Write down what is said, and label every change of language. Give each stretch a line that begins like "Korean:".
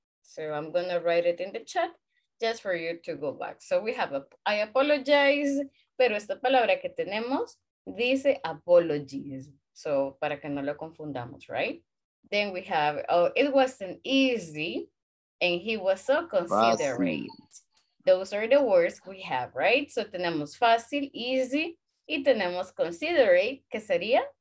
English: So I'm going to write it in the chat just for you to go back. So we have, I apologize,
Spanish: pero esta palabra que tenemos dice
English: apologies.
Spanish: So para que no lo confundamos, right?
English: Then we have, oh, it wasn't easy and he was so considerate. Fácil. Those are the words we have, right?
Spanish: So tenemos fácil, easy, y tenemos considerate, que sería?